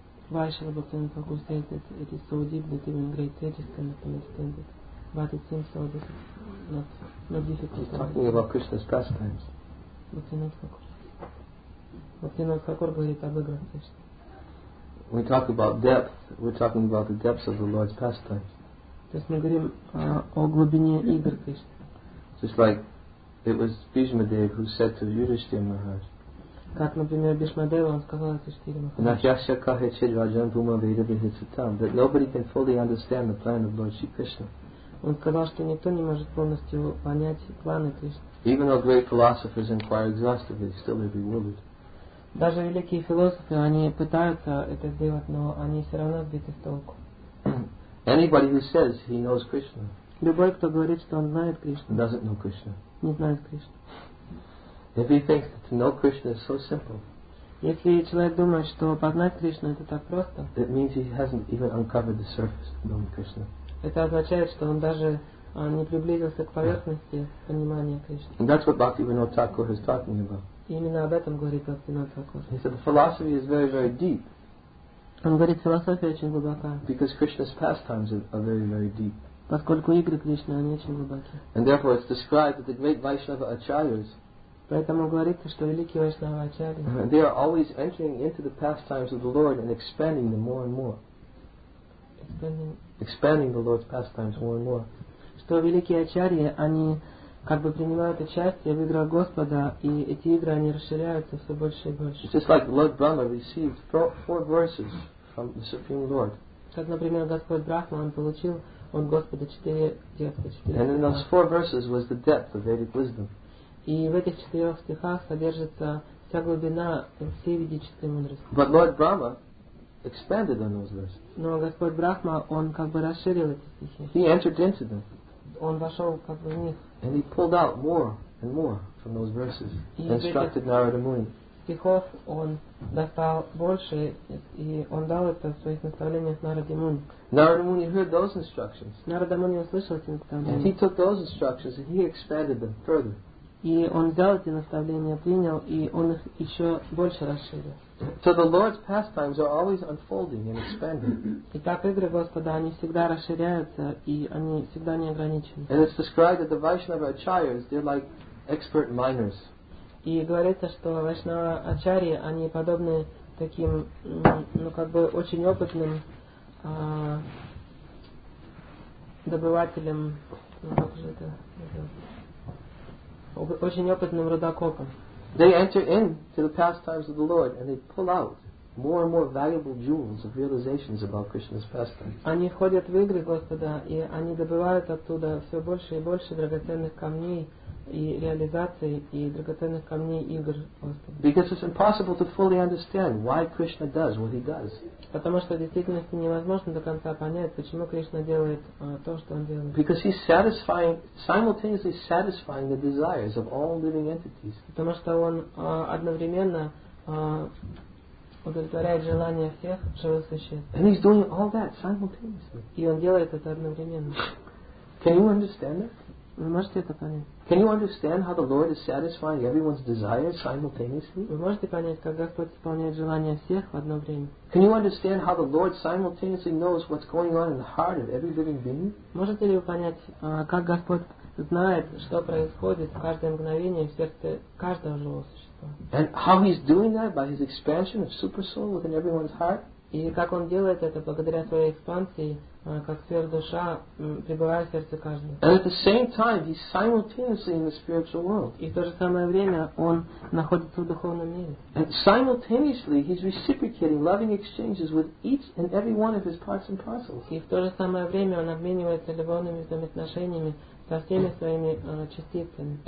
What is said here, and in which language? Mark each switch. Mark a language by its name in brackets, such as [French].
[English] Why Srila Bhaktivinoda Thakur says that it is so deep that even great sages cannot understand it. But it seems so not difficult. He's talking about Krishna's pastimes. [Russian] Bhaktivinoda Thakur говорит об играх Кришны. [English] We talk about depth, we're talking about the depths of the Lord's pastimes. [Russian] То есть мы говорим о глубине игр Кришны. [English] Just like it was Bhishma Dev who said to Yudhishthira Maharaj, [Russian] как, например, Бишмадева, он сказал это Шрилам. [English] That nobody can fully understand the plan of Lord Shri Krishna. [Russian] Он сказал, что никто не может полностью понять планы Кришны. [English] Even though great philosophers inquire exhaustively, still they're bewildered. [Russian] Даже великие философы, они пытаются это сделать, но они все равно сбиты с толку. [English] Anybody who says he knows Krishna. [Russian] Любой, кто говорит, что он знает Кришну. [English] Doesn't know Krishna. [Russian] Не знает Кришну. [English] If he thinks that to know Krishna is so simple, [Russian] если человек думает, что познать Кришну это так просто, [English] it means he hasn't even uncovered the surface of knowing Krishna. [Russian] Это означает, что он даже не приблизился к поверхности понимания Кришны. [English] And that's what Bhaktivinoda Thakur is talking about. [Russian] Именно об этом говорит Бхактивинода Тхакур. [English] He said the philosophy is very, very deep. [Russian] Он говорит, философия очень глубока. [English] Because Krishna's pastimes are very, very deep. [Russian] Поскольку игры Кришны они очень глубоки. [English] And therefore it's described that the great Vaishnava acharyas. [Russian] Поэтому говорится, что великие вайшнава ачарьи, [English] they are always entering into the pastimes of the Lord and expanding them more and more. Expanding the Lord's pastimes more and more. [Russian] Что великие ачарьи, они как бы принимают участие в играх Господа, и эти игры, они расширяются все больше и больше. [English] It's just like Lord Brahma received four verses from the Supreme Lord. [Russian] Как, например, Господь Брахма, он получил от Господа четыре текста. [English] And in those four verses was the depth of Vedic wisdom. [Russian] И в этих четырех стихах содержится вся глубина всей ведической мудрости. [English] But Lord Brahma expanded on those verses. [Russian] Но Господь Брахма, он как бы расширил эти стихи. [English] He entered into them. [Russian] Он вошел как бы в них. [English] And he pulled out more and more from those verses. [Russian] И [English] instructed Narada Muni. [Russian] Стихов он достал больше, и он дал это в своих наставлениях Нараде Муни. [English] Narada Muni heard those instructions. [Russian] Нарада Муни услышал эти наставления. [English] And he took those instructions and he expanded them further. [Russian] И он взял эти наставления, принял, и он их еще больше расширил. [English] So the Lord's pastimes are always unfolding and expanding. [Russian] И так игры Господа, они всегда расширяются, и они всегда не ограничены. [English] And it's described that the Vaishnava acharyas, they're like expert miners. [Russian] И говорится, что вайшнава ачарьи, они подобны таким, ну как бы очень опытным добывателям, ну как же это называется, очень опытным рудокопам. [English] They enter into the pastimes of the Lord and they pull out more and more valuable jewels of realizations about Krishna's pastimes. [Russian] Они входят в игры Господа, и они добывают оттуда все больше и больше драгоценных камней и реализаций и драгоценных камней игр Господа. [English] Because it's impossible to fully understand why Krishna does what he does. [Russian] Потому что в действительности невозможно до конца понять, почему Кришна делает то, что он делает. [English] Because he's satisfying, simultaneously satisfying the desires of all living entities. [Russian] Потому что он одновременно удовлетворяет желания всех живых существ. [English] And he's doing all that simultaneously. [Russian] И он делает это одновременно. [English] Can you understand that? [Russian] Вы можете это понять? [English] Can you understand how the Lord is satisfying everyone's desires simultaneously? [Russian] Вы можете понять, как Господь исполняет желания всех в одно время? [English] Can you understand how the Lord simultaneously knows what's going on in the heart of every living being? [Russian] Можете ли вы понять, как Господь знает, что происходит в каждое мгновение в сердце каждого живого существа? [English] And how he's doing that by his expansion of super soul within everyone's heart? [Russian] И как он делает это благодаря своей экспансии, как сверхдуша, пребывая в сердце каждого. [English] And at the same time, he's simultaneously in the spiritual world. [Russian] И в то же самое время он находится в духовном мире. [English] And simultaneously, he's reciprocating loving exchanges with each and every one of his parts and parcels. [Russian] И в то же самое время он обменивается любовными взаимоотношениями со всеми своими частицами.